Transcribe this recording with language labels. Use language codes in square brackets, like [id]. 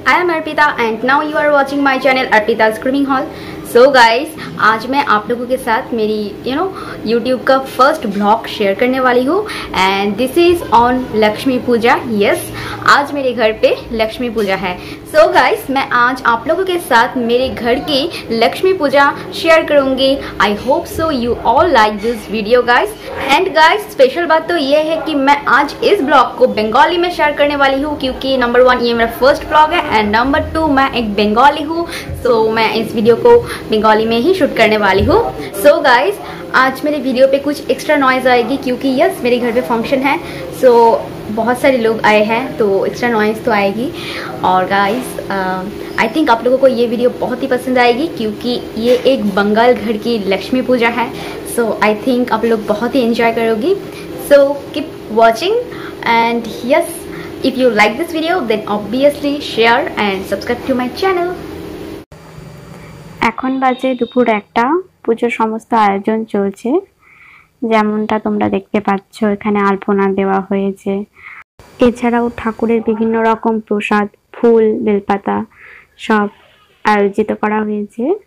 [en] I am Arpita and now you are watching my channel Arpita's Screaming Hall. [hi] So guys, आज मैं आप लोगों के साथ मेरी [en] you know [hi] YouTube का first vlog share करने वाली हूँ [en] and this is on [hi] Lakshmi Puja. Yes, आज मेरे घर पे लक्ष्मी पूजा है. [en] So guys, [hi] मैं आज आप लोगों के साथ मेरे घर की लक्ष्मी पूजा share करूँगी. [en] I hope so you all like this video guys. And guys, [hi] special बात तो ये है कि मैं आज इस vlog को बंगाली में share करने वाली हूँ क्योंकि [en] number one [hi] ये मेरा first vlog है [en] and number two [hi] मैं एक बंगाली हूँ. So मैं इस video को बंगाली में ही शूट करने वाली हूँ. [en] so guys, [hi] आज मेरे वीडियो पे कुछ एक्स्ट्रा नॉइज आएगी क्योंकि यस मेरे घर पे फंक्शन है. सो बहुत सारे लोग आए हैं तो एक्स्ट्रा नॉइज तो आएगी. और गाइज, [en] I think [hi] आप लोगों को ये वीडियो बहुत ही पसंद आएगी क्योंकि ये एक बंगाल घर की लक्ष्मी पूजा है. [en] so I think [hi] आप लोग बहुत ही [en] enjoy [hi] करोगी. [en] So keep watching and yes, if you like this video then obviously share and subscribe to my channel. [bn] এখন বাজে দুপুর একটা, পুজোর সমস্ত আয়োজন চলছে যেমনটা তোমরা দেখতে পাচ্ছ. এখানে আলপনা দেওয়া হয়েছে, এছাড়াও ঠাকুরের বিভিন্ন রকম প্রসাদ, ফুল, বেলপাতা সব আয়োজিত করা হয়েছে.